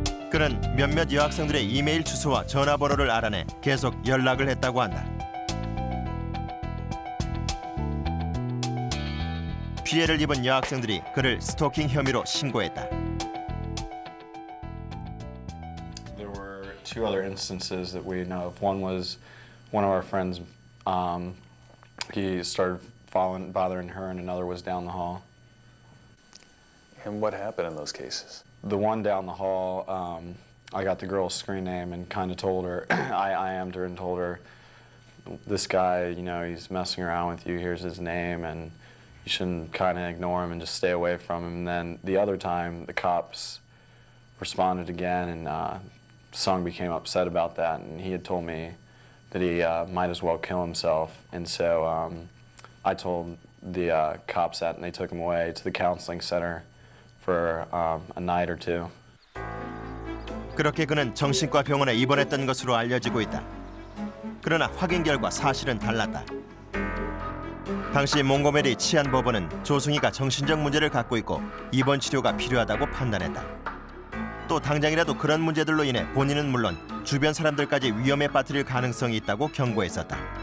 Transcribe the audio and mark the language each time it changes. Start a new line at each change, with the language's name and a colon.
Korean: 그는 몇몇 여학생들의 이메일 주소와 전화번호를 알아내 계속 연락을 했다고 한다. 피해를 입은 여학생들이 그를 스토킹 혐의로 신고했다.
English: There were two other instances that we know of. One was one of our friends, he started following, bothering her, and another was down the hall. And what happened in those cases? The one down the hall, I got the girl's screen name and kind of told her, I IM'd her and told her, this guy, you know, he's messing around with you, here's his name, and you shouldn't kind of ignore him and just stay away from him. And then the other time, the cops responded again, and Sung became upset about that, and he had told me that he might as well kill himself. And so I told the cops that, and they took him away to the counseling center for a night or two.
Korean: 그렇게 그는 정신과 병원에 입원했던 것으로 알려지고 있다. 그러나 확인 결과 사실은 달랐다. 당시 몽고메리 치안 법원은 조승희가 정신적 문제를 갖고 있고 입원 치료가 필요하다고 판단했다. 또 당장이라도 그런 문제들로 인해 본인은 물론 주변 사람들까지 위험에 빠뜨릴 가능성이 있다고 경고했었다.